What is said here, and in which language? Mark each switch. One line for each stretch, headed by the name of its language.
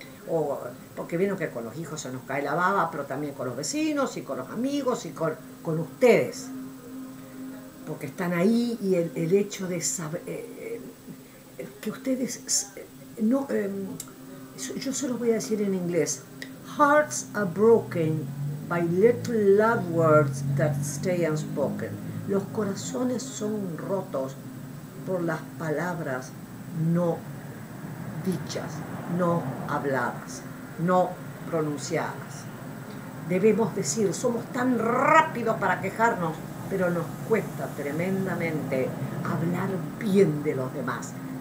Spanish: O, porque vieron que con los hijos se nos cae la baba, pero también con los vecinos y con los amigos y con ustedes. Porque están ahí y el hecho de saber. Que ustedes, no, yo se los voy a decir en inglés,
English: hearts are broken by little love words that stay unspoken.
Spanish: Los corazones son rotos por las palabras no dichas, no habladas, no pronunciadas. Debemos decir, somos tan rápidos para quejarnos, pero nos cuesta tremendamente hablar bien de los demás.